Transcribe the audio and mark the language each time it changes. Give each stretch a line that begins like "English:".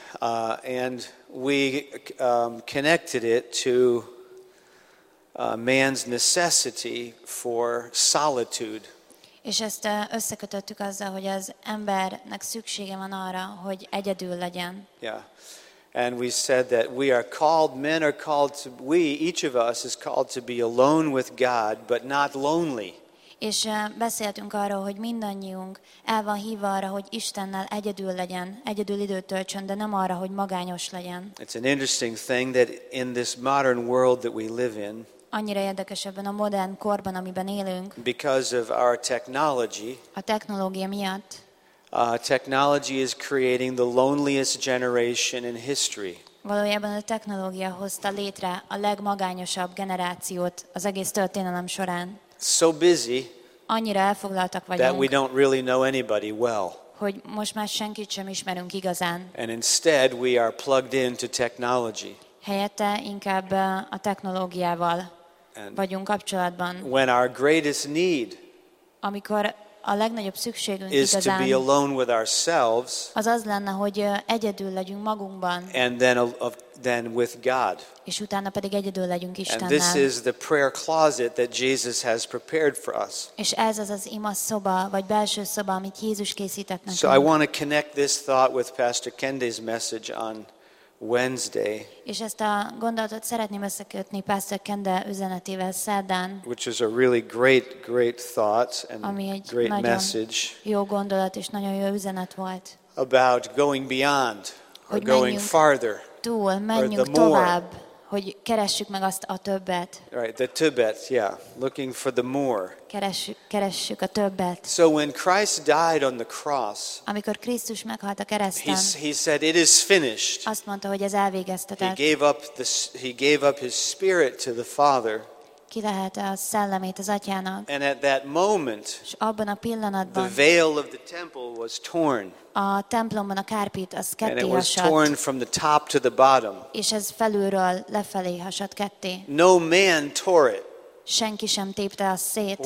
English: And we connected it to man's necessity for solitude.
Hungarian: És ezt összekötöttük azzal, hogy az embernek szüksége van arra, hogy egyedül legyen.
English: Yeah. And we said that we are called, men are called to, we, each of us is called to be alone with God, but not lonely.
Hungarian: És beszéltünk arról, hogy mindannyiunk el van hívva arra, hogy Istennel egyedül legyen, egyedül időt töltsön, de nem arra, hogy magányos legyen.
English: It's an interesting thing that in this modern world that we live in,
Hungarian: annyira érdekes ebben a modern korban, amiben élünk.
English: Because of our technology.
Hungarian: A technológia miatt.
English: Technology is creating the loneliest generation in history.
Hungarian: Valójában a technológia hozta létre a legmagányosabb generációt az egész történelem során.
English: So busy.
Hungarian: Annyira elfoglaltak vagyunk.
English: That we don't really know anybody well.
Hungarian: Hogy most már senkit sem ismerünk igazán.
English: And instead we are plugged into technology.
Hungarian: Helyette inkább a technológiával vagyunk kapcsolatban.
English: When our greatest need,
Hungarian: amikor a legnagyobb szükségünk
English: is
Hungarian: igazán,
English: to be alone with ourselves,
Hungarian: az lenne, hogy egyedül legyünk magunkban,
English: and then with God.
Hungarian: És utána pedig egyedül legyünk Istennel.
English: And this is the prayer closet that Jesus has prepared for us.
Hungarian: És ez az az ima szoba, vagy belső szoba, amit Jézus készített nekünk.
English: So I want to connect this thought with Pastor Kende's message on Wednesday.
Hungarian: És ezt a gondolatot szeretném összekötni Pastor Kende üzenetével szerdán.
English: Which is a really great, great thought and great message.
Hungarian: Jó gondolat és nagyon jó üzenet volt.
English: About going beyond,
Hungarian: hogy
English: or going farther,
Hungarian: túl, menjünk tovább, hogy keressük meg azt a többet.
English: Right, the többet, yeah, looking for the more.
Hungarian: Keressük a többet.
English: So when Christ died on the cross,
Hungarian: amikor Krisztus meghalt a kereszten,
English: he said it is finished.
Hungarian: Azt mondta, hogy ez elvégeztetett.
English: He gave up his spirit to the Father.
Hungarian: Kilehet a szellemét az atyának.
English: And at that moment,
Hungarian: és abban a pillanatban,
English: the veil of the temple was torn.
Hungarian: A templomban a kárpit az ketté hasadt.
English: And it was torn from the top to the bottom.
Hungarian: És ez felülről lefelé hasadt ketté.
English: No man tore it.
Hungarian: Senki sem tépte azt szét.